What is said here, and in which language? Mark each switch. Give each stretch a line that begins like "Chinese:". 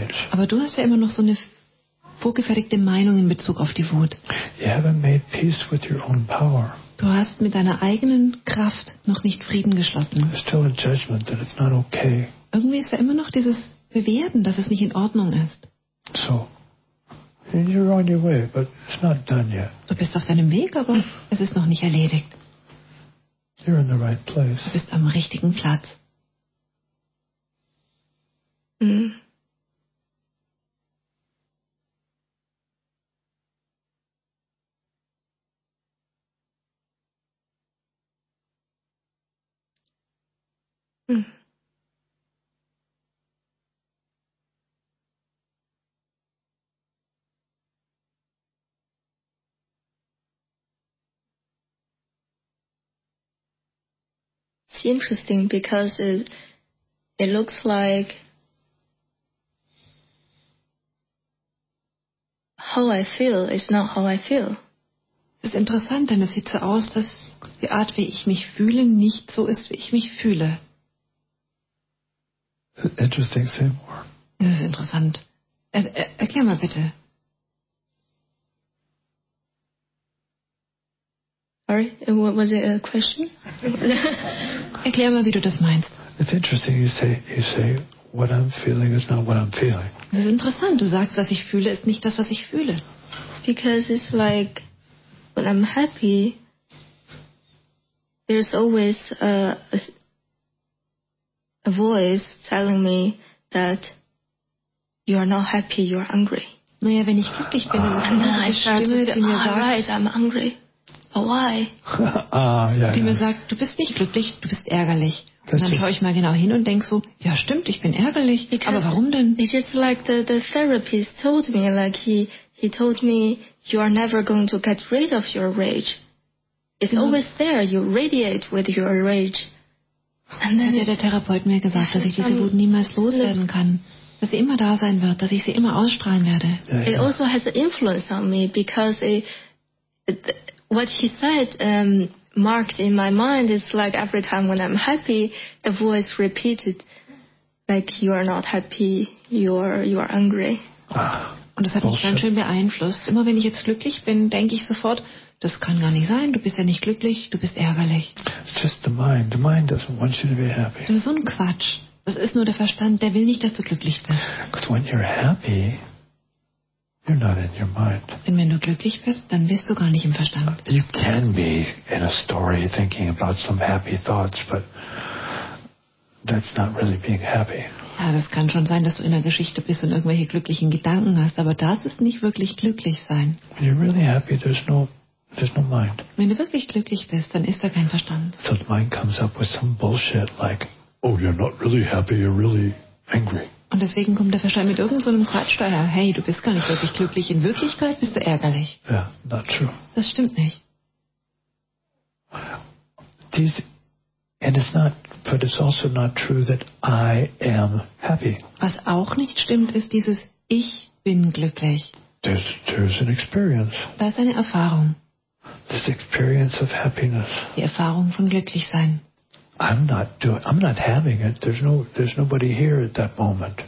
German: Aber du hast ja immer noch so eine vorgefertigte Meinung in Bezug auf die Wut. Du hast mit deiner eigenen Kraft noch nicht Frieden geschlossen. Irgendwie ist da immer noch dieses Bewerten, dass es nicht in Ordnung ist.
English: So. You're on your way, but it's not done yet.
German: Du bist auf deinem Weg, aber es ist noch nicht erledigt.
English: You're in the right place.
German: Du bist am richtigen Platz.
English: Interesting because it looks like how I feel is not how I feel.
German: Es ist interessant, denn es sieht so aus, dass die Art, wie ich mich fühle, nicht so ist, wie ich mich fühle.
English: Interesting, say more.
German: Es ist interessant. Erklär mal bitte.
English: Sorry, what was it, a question?
German: Erklär mal, wie du das meinst.
English: It's interesting, you say, what I'm feeling is not what I'm feeling.
German: Das ist interessant, du sagst, was ich fühle, ist nicht das, was ich fühle.
English: Because it's like, when I'm happy, there's always a voice telling me that you are not happy, you are angry.
German: Naja, wenn ich glücklich bin, dann ist eine Stimme, die mir sagt,
English: right, I'm angry. But why?
German: Die mir sagt, du bist nicht glücklich, du bist ärgerlich. Und dann schaue ich mal genau hin und denke so, ja stimmt, ich bin ärgerlich, aber warum denn?
English: It's just like the therapist told me, like he told me, you are never going to get rid of your rage. It's always there. You radiate with your rage.
German: Und dann hat ja der Therapeut mir gesagt, dass ich diese Wut niemals loswerden kann, dass sie immer da sein wird, dass ich sie immer ausstrahlen werde.
English: It also has an influence on me because what he said marked in my mind is like every time when I'm happy, the voice repeated, like you are not happy, you are angry. Ah.
German: Und das hat mich ganz schön beeinflusst. Immer wenn ich jetzt glücklich bin, denke ich sofort, das kann gar nicht sein, du bist ja nicht glücklich, du bist ärgerlich.
English: It's just the mind. The mind doesn't want you to be happy.
German: Das ist so ein Quatsch. Das ist nur der Verstand, der will nicht, dass du glücklich bist.
English: Because when you're happy, you're not in your mind.
German: Denn wenn du glücklich bist, dann bist du gar nicht im Verstand.
English: You can be in a story thinking about some happy thoughts, but that's not really being happy.
German: Ja, das kann schon sein, dass du in einer Geschichte bist und irgendwelche glücklichen Gedanken hast, aber das ist nicht wirklich glücklich sein.
English: When you're really happy, there's no mind.
German: Wenn du wirklich glücklich bist, dann ist da kein Verstand.
English: So the mind comes up with some bullshit like, oh, you're not really happy, you're really angry.
German: Und deswegen kommt der Verstand mit irgendeinem Quatsch daher, hey, du bist gar nicht wirklich glücklich, in Wirklichkeit bist du ärgerlich.
English: Yeah, not true.
German: Das stimmt nicht.
English: And it's not, but it's also not true that I am happy.
German: Was auch nicht stimmt, ist dieses Ich bin glücklich.
English: There's an experience.
German: Da ist eine Erfahrung.
English: This experience of happiness.
German: Die Erfahrung von Glücklichsein.
English: I'm not having it. There's nobody here at that moment.